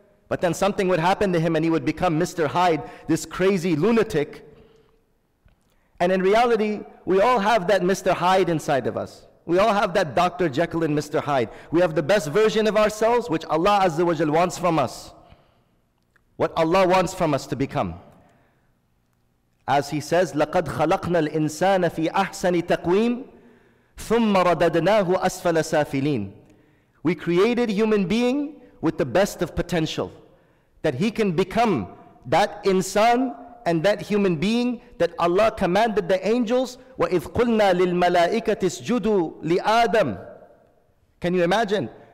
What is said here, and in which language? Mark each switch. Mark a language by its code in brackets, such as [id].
[en] But then something would happen to him and he would become Mr. Hyde, this crazy lunatic. And in reality, we all have that Mr. Hyde inside of us. We all have that Dr. Jekyll and Mr. Hyde. We have the best version of ourselves, which Allah Azza wa Jal wants from us. What Allah wants from us to become. As he says, [ar] لَقَدْ خَلَقْنَا الْإِنسَانَ فِي أَحْسَنِ تَقْوِيمٍ ثُمَّ رَدَدْنَاهُ أَسْفَلَ سَافِلِينَ. [en] We created human being with the best of potential, that he can become that insan and that human being that Allah commanded the angels, [ar] وَإِذْ قُلْنَا لِلْمَلَائِكَةِ اسْجُدُوا لِآدَمَ. [en] Can you imagine?